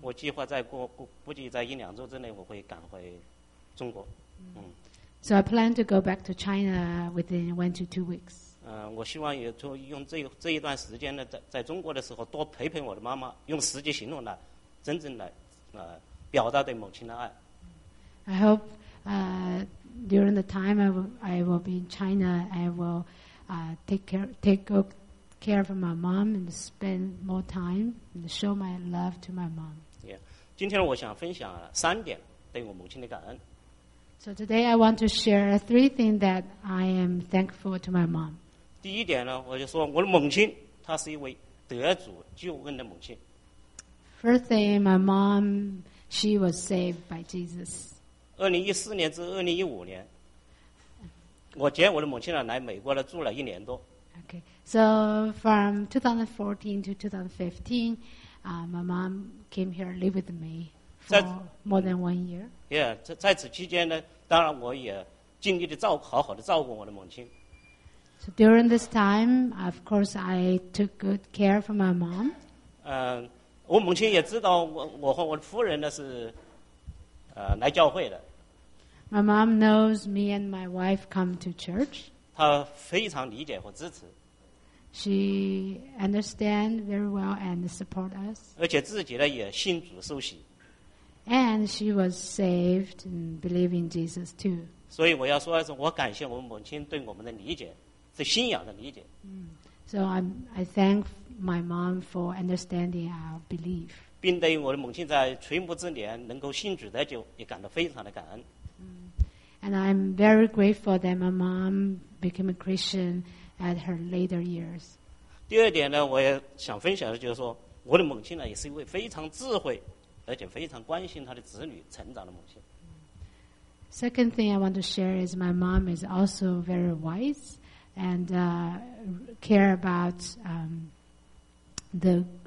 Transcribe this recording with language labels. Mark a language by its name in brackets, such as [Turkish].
[Chinese] 我计划在估计在一两周之内我会赶回中国。 [English] So I plan to go back to China within 1 to 2 weeks. [Chinese] 我希望也就用这一段时间呢，在中国的时候多陪陪我的妈妈，用实际行动来真正来表达对母亲的爱。 [English] I hope during the time I will be in China, I will take good care of my mom and spend more time and show my love to my mom. Yeah. [Chinese] 今天我想分享三点对我母亲的感恩。 [English] So today I want to share 3 things that I am thankful to my mom. [Chinese] 第一点呢，我就说我的母亲她是一位得主救恩的母亲。 [English] First thing, my mom, she was saved by Jesus. [Chinese] 2014年至2015年。我接我的母亲呢来美国呢住了一年多。 [English] Okay, so from 2014 to 2015, my mom came here live with me. more than 1 year. [Chinese] Yeah, 在此期间呢，当然我也尽力的照好好的照顾我的母亲。 [English] So during this time, of course, I took good care for my mom. [Chinese] 我母亲也知道我和我的夫人呢是，来教会的。 [English] My mom knows me and my wife come to church. [Chinese] 她非常理解和支持。 [English] She understands very well and support us. [Chinese] 而且自己呢也信主受洗。 [English] And she was saved and believed in Jesus too. [Chinese] 所以我要说的是，我感谢我母亲对我们的理解，是信仰的理解。 [English] So I thank my mom for understanding our belief. [Chinese] 并对我的母亲在垂暮之年能够信主得救，也感到非常的感恩。 [English] And I'm very grateful that my mom became a Christian at her later years. [Chinese] 第二点呢，我也想分享的就是说，我的母亲呢也是一位非常智慧，而且非常关心她的子女成长的母亲。 [English] Second thing I want to share is my mom is also very wise and care about the